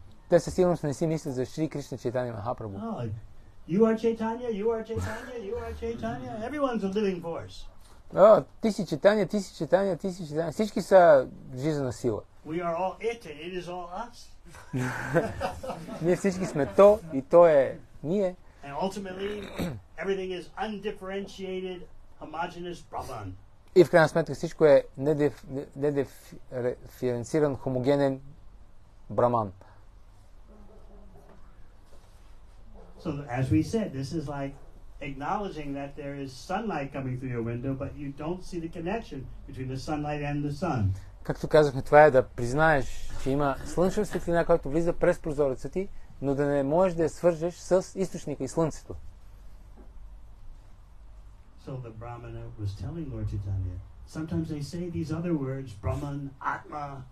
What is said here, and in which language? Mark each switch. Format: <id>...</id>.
<bg>Те със сигурност не си мислят за Шри Кришна Чайтанья Махапрабху.</bg> <en>You are Chaitanya, you are Chaitanya, you are Chaitanya. Everyone's a living force.</en> <bg>Ти си Чайтанья, ти си Чайтанья, ти си Чайтанья. Всички са жизнена сила.</bg> <en>We are all it and it is all us.</en> <bg>Ние всички сме то и то е ние.</bg> <en>And ultimately, everything is undifferentiated, homogeneous Brahman.</en> <bg>И в крайна сметка всичко е недиференциран, хомогенен Брахман.</bg> <en>So as we said, this is like acknowledging that there is sunlight coming through your window, but you don't see the connection between the sunlight and the sun.</en> <bg>Както казахме, това е да признаеш, че има слънчева светлина, която влиза през прозореца ти, но да не можеш да я свържеш с източника и слънцето.</bg> <en>So the Brahmana was telling Lord Chaitanya, sometimes they say these other words, Brahman, Atma.</en>